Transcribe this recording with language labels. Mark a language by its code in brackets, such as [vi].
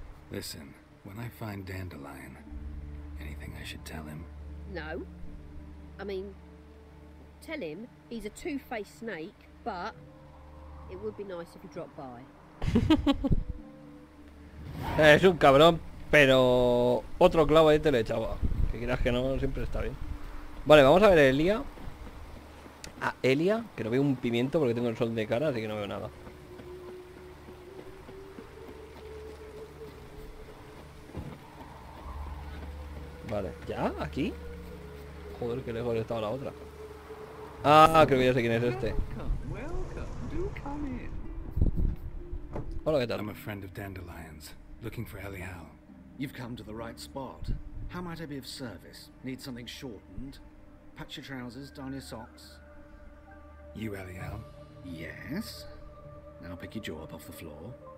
[en] Listen, when I find Dandelion, anything I should tell him? No. I mean, tell him he's a two-faced snake, but it would be nice if he dropped by. [es] Es un cabrón, pero otro clavo ahí te lo echaba. Que quieras que no, siempre está bien. Vale, vamos a ver a Elia. A Elia, que no veo un pimiento porque tengo el sol de cara, así que no veo nada. Vale, ¿ya? ¿Aquí? Joder, qué lejos estaba la otra. Ah, creo que ya sé quién es este. Hola, ¿qué tal? [en] I'm a friend of Dandelion's, looking for Elial. You've come to the right spot. How might I be of service? Need something shortened? Patch your trousers, darn your socks. You, Elial? Yes. Now pick your jaw up off the floor.